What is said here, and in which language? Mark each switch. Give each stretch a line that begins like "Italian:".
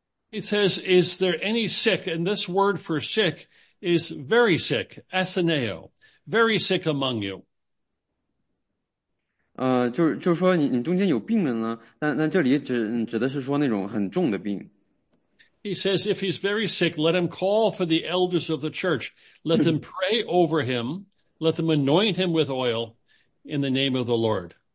English: It says, is there any sick? And this word for sick is very sick, asineo, very sick among you.
Chinese: 就是说你中间有病人呢，但这里指的是说那种很重的病。
English: He says, if he's very sick, let him call for the elders of the church. Let them pray over him. Let them anoint him with oil in the name of the Lord.